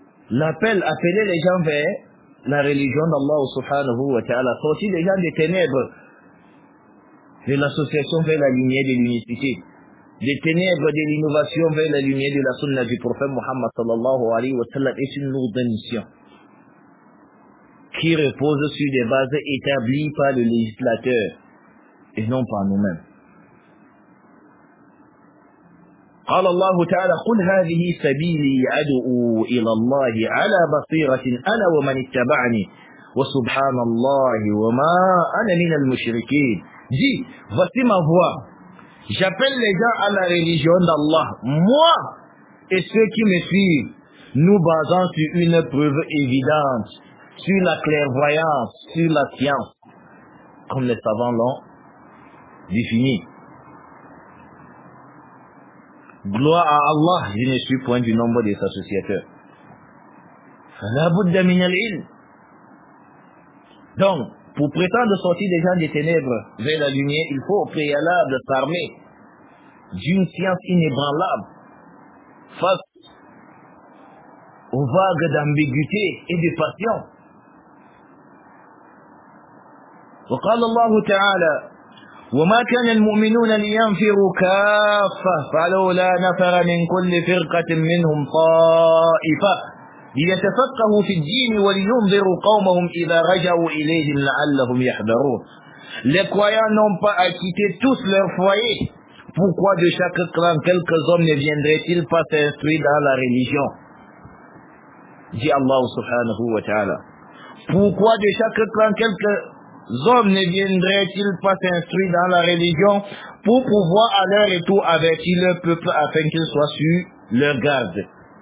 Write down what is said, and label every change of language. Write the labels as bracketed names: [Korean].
[French] L'appel appelait les gens vers la religion d'Allah subhanahu wa ta'ala, sorti les gens des ténèbres de l'association vers la lumière de l'unicité, des ténèbres de l'innovation vers la lumière de la sunna du prophète Muhammad sallallahu alayhi wa sallam, est une lourde mission qui repose sur des bases établies par le législateur et non par nous-mêmes. [Arabic] قال الله تعالى قل هذه سبيلي أدعو إلى الله على بصيرة أنا ومن اتبعني وسبحان الله وما أنا من المشركين. [French] Dis, voici ma voix. J'appelle les gens à la religion d'Allah. Moi et ceux qui me suivent, nous basons sur une preuve évidente, sur la clairvoyance, sur la science, comme les savants l'ont défini. Gloire à Allah, je ne suis point du nombre des associateurs. [Arabic] Falabudda min al-ilm. [French] Donc, pour prétendre sortir des gens des ténèbres vers la lumière, il faut au préalable s'armer d'une science inébranlable face aux vagues d'ambiguïté et de passion. [Arabic] Wa qala Allahu ta'ala, وما كان المؤمنون لينفروا كافة فلولا نفر من كل فرقة منهم طائفة ليتفقهوا في الدين ولينذروا قومهم إذا رجعوا إليهم لعلهم يحذرون. [French] Les croyants n'ont pas acquitté tous leurs foyers. Pourquoi de chaque clan quelques hommes ne viendraient-ils pas s'instruire dans la religion? Dit Allah subhanahu wa ta'ala. Pourquoi de chaque clan quelques hommes ne viendraient-ils pas s'instruire dans la religion pour pouvoir à leur retour avertir leur peuple afin qu'ils soient sur leur garde?